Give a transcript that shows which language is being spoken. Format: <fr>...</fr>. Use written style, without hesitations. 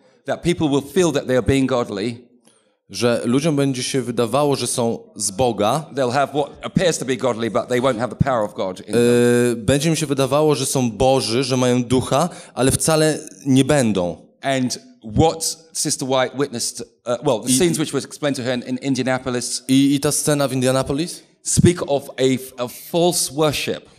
<en>That people will feel that they are being godly.</en> <pl>Że ludziom będzie się wydawało, że są z Boga.</pl> <en>They'll have what appears to be godly, but they won't have the power of God.</en> <pl>Będzie im się wydawało, że są Boży, że mają ducha, ale wcale nie będą.</pl> <en>And what Sister White witnessed, well, the scenes which were explained to her in Indianapolis.</en> <pl>I ta scena w Indianapolis?</pl> <en>Speak of a false worship.</en>